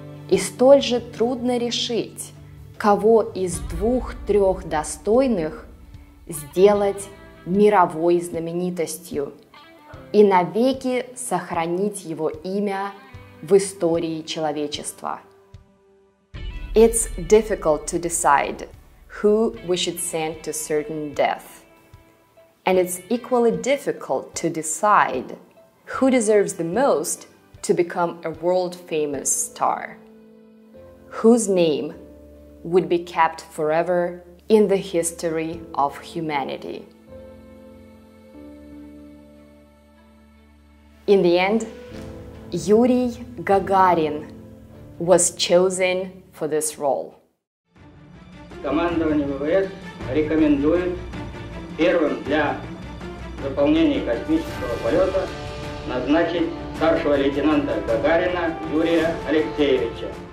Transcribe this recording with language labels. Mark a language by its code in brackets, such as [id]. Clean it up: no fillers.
[ru] И столь же трудно решить, кого из двух-трех достойных сделать мировой знаменитостью и навеки сохранить его имя в истории человечества. [en] It's difficult to decide who we should send to certain death. And it's equally difficult to decide who deserves the most to become a world-famous star. Whose name would be kept forever in the history of humanity. In the end, Yuri Gagarin was chosen for this role. [ru] Командование ВВС рекомендует первым для выполнения космического полета назначить старшего лейтенанта Гагарина Юрия Алексеевича.